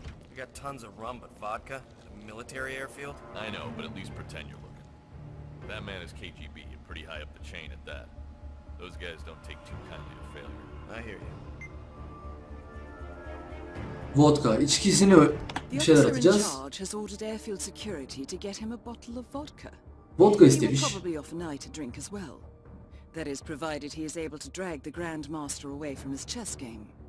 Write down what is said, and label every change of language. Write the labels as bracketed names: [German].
[English] We got tons of rum, but vodka? A military airfield? I know, but at least pretend you're looking. That man is KGB, and pretty high up the chain at that. Those guys don't take too kindly to failure. I hear you. [Turkish] Vodka, içkisini bir şeyler atacağız. [English] The officer in charge has ordered airfield security to get him a bottle of vodka. [Turkish] Vodka istemiş. [English] He will probably offer Nye to drink as well. That is provided he is able to drag the Grand Master away from his chess game.